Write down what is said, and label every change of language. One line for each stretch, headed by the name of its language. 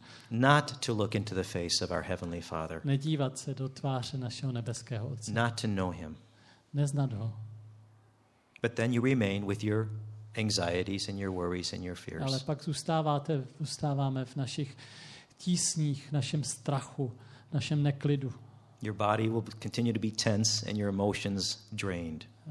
English: Not to look into the face of our heavenly Father.
Czech: Nedívat se do tváře našeho nebeského Otce.
English: Not to know him.
Czech: Neznat ho.
English: But then you remain with your anxieties and your worries and your fears.
Czech: Ale pak zůstáváme v našich tísních, našem strachu, našem neklidu.
English: Your body will continue to be tense and your emotions drained.